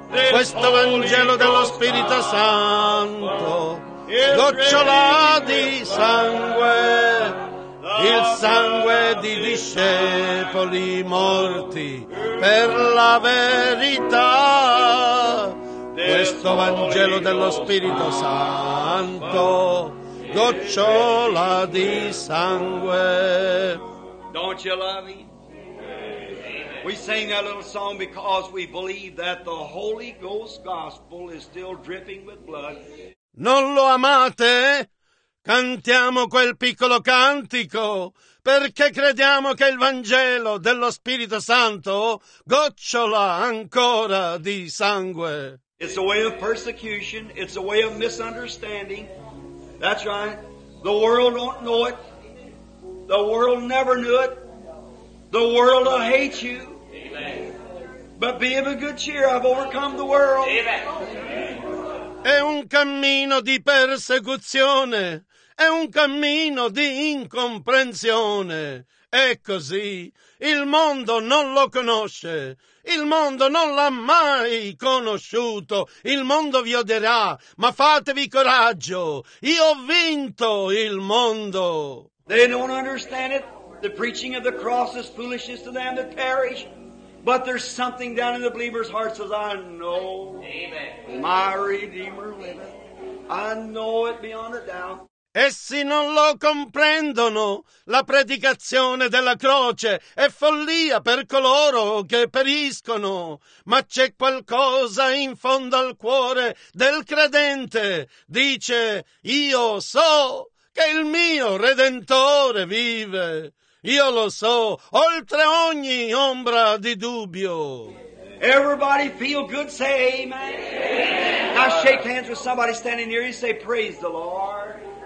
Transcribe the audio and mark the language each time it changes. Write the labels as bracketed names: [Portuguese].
[Italian] Questo Vangelo dello Spirito Santo, gocciola di sangue, il sangue di discepoli morti per la verità. Questo Vangelo dello Spirito Santo, gocciola di sangue. [English] Don't you love me? We sing that little song because we believe that the Holy Ghost gospel is still dripping with blood. [Italian] Non lo amate? Cantiamo quel piccolo cantico perché crediamo che il Vangelo dello Spirito Santo gocciola ancora di sangue. [English] It's a way of persecution, it's a way of misunderstanding. That's right. The world don't know it. The world never knew it. The world will hate you. But be of a good cheer, I've overcome the world. [Italian] È un cammino di persecuzione. È un cammino di incomprensione. È così. Il mondo non lo conosce. Il mondo non l'ha mai conosciuto. Il mondo vi odierà, ma fatevi coraggio. Io ho vinto il mondo. [English] They don't understand it. The preaching of the cross is foolishness to them that perish. But there's something down in the believers' hearts as I know. Amen. My Redeemer liveth. I know it beyond a doubt. [Italian] Essi non lo comprendono. La predicazione della croce è follia per coloro che periscono. Ma c'è qualcosa in fondo al cuore del credente. Dice, io so che il mio Redentore vive. Io lo so, oltre ogni ombra di dubbio. [English] Everybody feel good, say amen. Amen. Now shake hands with somebody standing near you, say praise the Lord.